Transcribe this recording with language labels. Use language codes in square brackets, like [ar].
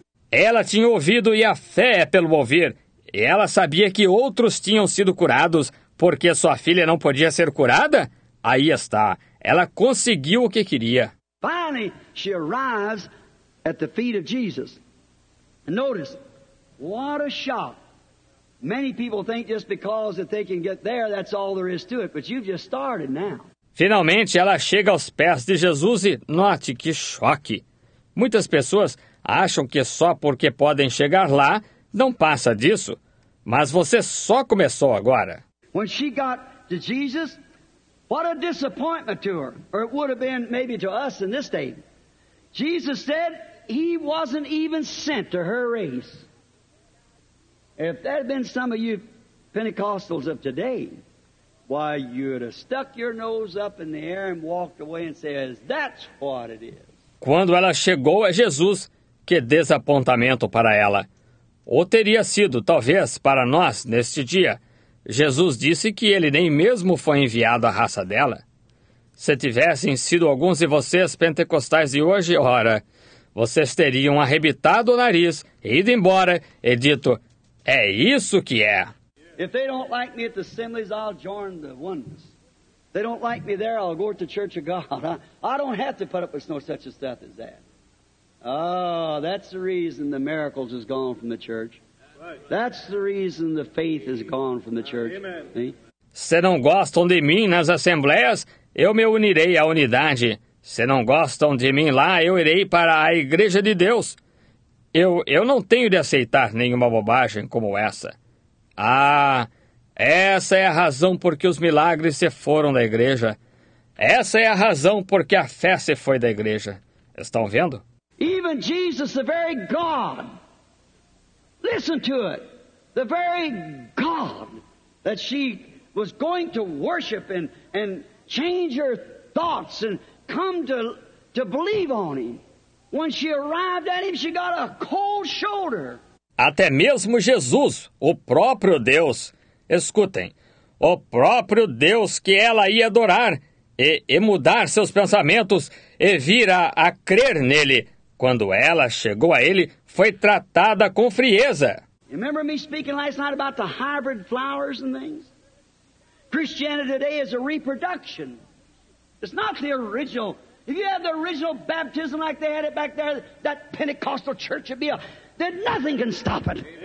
[pt] Ela tinha ouvido e a fé é pelo ouvir. E ela sabia que outros tinham sido curados, porque sua filha não podia ser curada? Aí está, ela conseguiu o que queria. [en] Finally, she arrives at the feet of Jesus. And notice, what a shock. Many people think just because that they can get there, that's all there is to it. But you've just started now. [pt] Finalmente, ela chega aos pés de Jesus e note que choque. Muitas pessoas acham que só porque podem chegar lá, não passa disso. Mas você só começou agora. [en] When she got to Jesus, what a disappointment to her, or it would have been maybe to us in this day. Jesus said he wasn't even sent to her race. If that had been some of you Pentecostals of today, why, you'd have stuck your nose up in the air and walked away and says, that's what it is. [pt] Quando ela chegou a Jesus, que desapontamento para ela. Ou teria sido, talvez, para nós neste dia. Jesus disse que ele nem mesmo foi enviado à raça dela. Se tivessem sido alguns de vocês pentecostais de hoje, ora, vocês teriam arrebitado o nariz, ido embora e dito, é isso que é. [en] If they don't like me at the assemblies, I'll join the oneness. They don't like me there, I'll go to the church of God. I don't have to put up with no such a stuff as that. Oh, that's the reason the miracles has gone from the church. That's the reason the faith is gone from the church. [pt] Se não gostam de mim nas assembleias, eu me unirei à unidade. Se não gostam de mim lá, eu irei para a igreja de Deus. Eu não tenho de aceitar nenhuma bobagem como essa. Ah, essa é a razão porque os milagres se foram da igreja. Essa é a razão porque a fé se foi da igreja. Estão vendo? [en] Even Jesus, the very God. Listen to it. The very God that she was going to worship and change her thoughts and come to believe on him. When she arrived at him, she got a cold shoulder. [pt] Até mesmo Jesus, o próprio Deus. Escutem. O próprio Deus que ela ia adorar e mudar seus pensamentos e vir a crer nele. Quando ela chegou a ele, foi tratada com frieza. [en] Remember me speaking last night about the hybrid flowers and things? Christianity today is a reproduction. It's not the original. If you had the original baptism like they had it back there, that Pentecostal church would be a... Then nothing can stop it.